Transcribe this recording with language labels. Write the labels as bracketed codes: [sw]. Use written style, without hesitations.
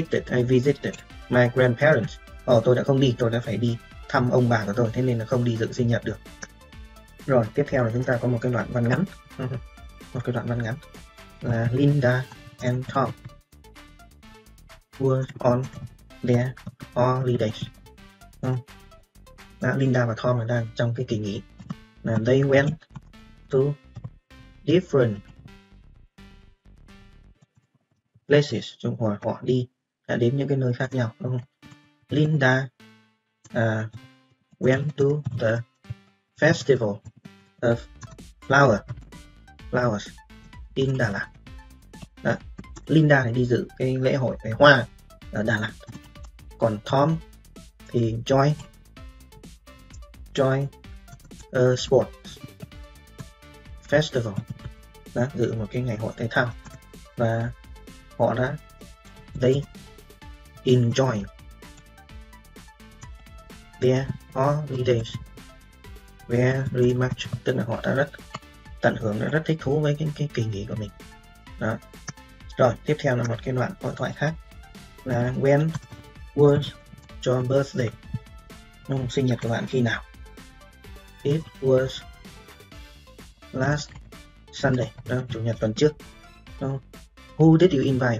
[en] I visited my grandparents. [vi] Ồ, tôi đã không đi. Tôi đã phải đi thăm ông bà của tôi. Thế nên là không đi dự sinh nhật được. Rồi, tiếp theo là chúng ta có một cái đoạn văn ngắn. Một cái đoạn văn ngắn là [en] Linda and Tom were on their holidays. [vi] Đó, Linda và Tom đang trong cái kỳ nghỉ. [en] They went to different places. [vi] Chúng họ đi đã đến những cái nơi khác nhau, đúng không? [en] Linda went to the festival of flower. Flowers in Đà Lạt. Đó. [vi] Linda thì đi dự cái lễ hội về hoa ở Đà Lạt. Còn Tom thì [en] join a sports festival. [vi] Đó, dự một cái ngày hội thể thao. Và họ đã [en] they enjoy their holidays very much. [vi] Tức là họ đã rất tận hưởng, rất thích thú với cái kỳ nghỉ của mình. Đó. Rồi, tiếp theo là một cái đoạn hội thoại khác là [en] When was your birthday? [vi] Năm sinh nhật của bạn khi nào? [en] It was last Sunday. [vi] Đó, chủ nhật tuần trước. Đó. [en] Who did you invite?